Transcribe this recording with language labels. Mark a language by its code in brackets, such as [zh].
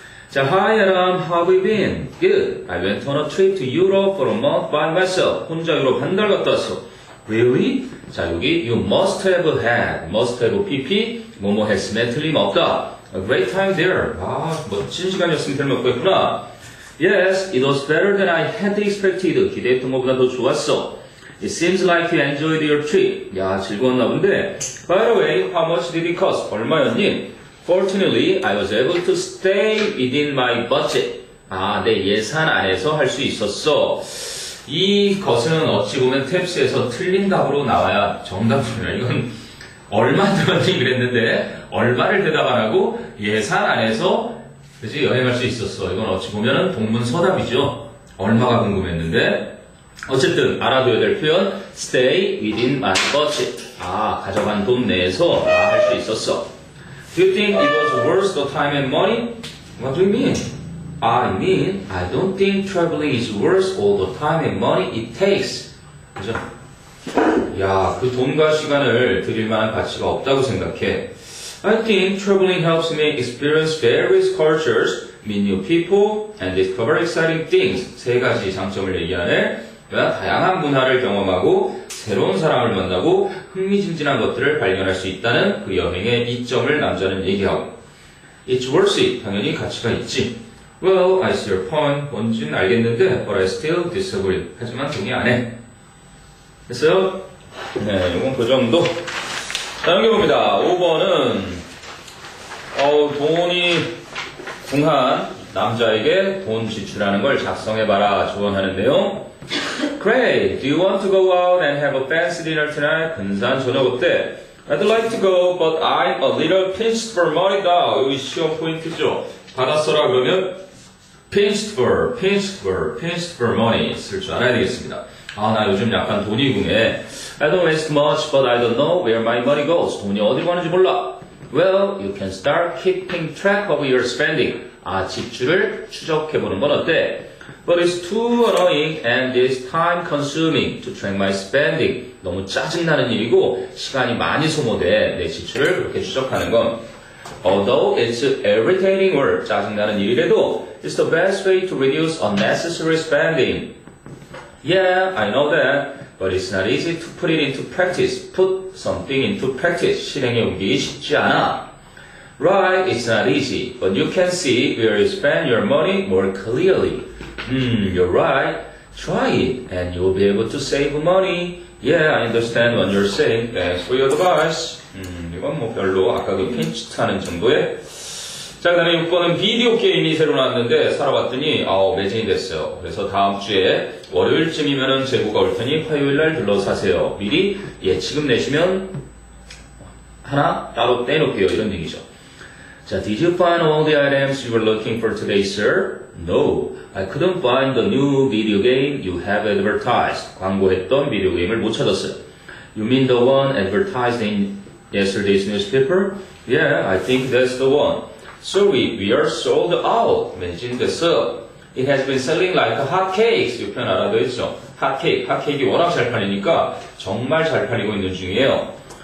[en] 자, Hi Adam, how have you been? Good. I went on a trip to Europe for a month by myself. [ko] 혼자 유럽 한 달 갔다 왔어. [en] Really? 자, 여기 you must have had, must have PP, [ko] 뭐뭐 했음에 틀림없다. [en] A great time there. [ko] 와, 멋진 시간이었으면 틀림없겠구나. [en] Yes, it was better than I had expected. [ko] 기대했던 것보다 더 좋았어. [en] It seems like you enjoyed your trip. [ko] 야, 즐거웠나 본데. [en] By the way, how much did it cost? [ko] 얼마였니? [en] Fortunately, I was able to stay within my budget. [ko] 아, 내 예산 안에서 할 수 있었어. 이 것은 어찌 보면 탭스에서 틀린 답으로 나와야 정답이네. 이건 얼마 들었니 그랬는데 얼마를 대답 안 하고 예산 안에서 그지 여행할 수 있었어. 이건 어찌 보면 동문서답이죠. 얼마가 궁금했는데. 어쨌든 알아둬야 될 표현 [en] stay within my budget. [ko] 아, 가져간 돈 내에서 아, 할 수 있었어. [en] Do you think it was worth the time and money? What do you mean? I mean, I don't think traveling is worth all the time and money it takes. [ko] 그죠? 야, 그 돈과 시간을 드릴 만한 가치가 없다고 생각해. [en] I think traveling helps me experience various cultures, meet new people, and discover exciting things. [ko] 세 가지 장점을 얘기하네. 다양한 문화를 경험하고 새로운 사람을 만나고 흥미진진한 것들을 발견할 수 있다는 그 여행의 이점을 남자는 얘기하고. [en] It's worth it. [ko] 당연히 가치가 있지. [en] Well, I see your point. [ko] 뭔지는 알겠는데, [en] but I still disagree. [ko] 하지만 동의 안 해. 됐어요? 네, 이건 그 정도. 다음 게 봅니다. 5번은 돈이 궁한 남자에게 돈 지출하는 걸 작성해봐라 조언하는 내용. [en] Great. Do you want to go out and have a fancy dinner tonight? [ko] 근사한 저녁 어때? [en] I'd like to go, but I'm a little pinched for money now. [ko] 여기 시험 포인트죠. 받았어라 그러면 [en] pinched for money [ko] 쓸 줄 알아야 되겠습니다. 아, 나 요즘 약간 돈이 궁해. [en] I don't waste much, but I don't know where my money goes. [ko] 돈이 어디로 가는지 몰라. [en] Well, you can start keeping track of your spending. [ko] 아, 지출을 추적해보는 건 어때? [en] But it's too annoying and it's time consuming to track my spending. [ko] 너무 짜증나는 일이고 시간이 많이 소모돼 내 지출을 그렇게 추적하는 건. [en] Although it's irritating work, [ko] 짜증나는 일이래도 [en] it's the best way to reduce unnecessary spending. Yeah, I know that, but it's not easy to put it into practice. Put something into practice. [ko] 실행에 옮기기 쉽지 않아. [en] Right, it's not easy, but you can see where you spend your money more clearly. You're right. Try it, and you'll be able to save money. Yeah, I understand what you're saying. Thanks for your advice. [ko] 이건 뭐 별로 아까 그 핀치타는 정도에. 자, 그 다음에 6번은 비디오 게임이 새로 나왔는데 살아봤더니 아우 매진이 됐어요. 그래서 다음 주에 월요일쯤이면 재고가 올 테니 화요일 날 들러 사세요. 미리 예치금 내시면 하나 따로 떼놓을게요. 이런 얘기죠. [en] 자, Did you find all the items you were looking for today, sir? No, I couldn't find the new video game you have advertised. [ko] 광고했던 비디오 게임을 못 찾았어요. [en] You mean the one advertised in yesterday's newspaper? Yeah, I think that's the one. Sorry, we are sold out. [ko] 매진 됐어. [en] It has been selling like hotcakes. [ko] 이 표현 알아두었죠. Hotcake이 워낙 잘 팔리니까 정말 잘 팔리고 있는 중이에요.